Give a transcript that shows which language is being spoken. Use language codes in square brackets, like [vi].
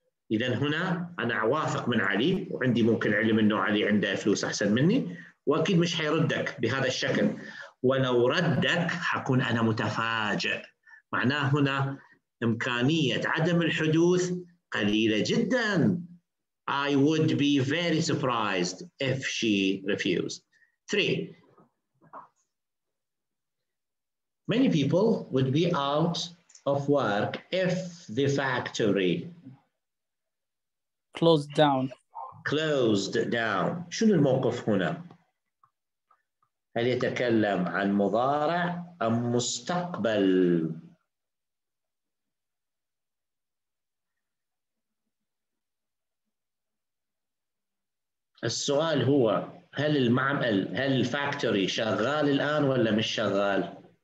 [ar] إذا هنا أنا أوافق من علي وعندي ممكن علم إنه علي عنده فلوس أحسن مني وأكيد مش حيردك بهذا الشكل. ولو ردك حكون أنا متفاجئ. معناه هنا إمكانية عدم الحدوث قليلة جدا. [en] I would be very surprised if she refused. Three. Many people would be out of work if the factory closed down. [ar] شنو الموقف هنا؟ هل يتكلم عن مضارع أم مستقبل؟ السؤال هو هل المعمل هل الفاكتوري شغال الآن ولا مش شغال؟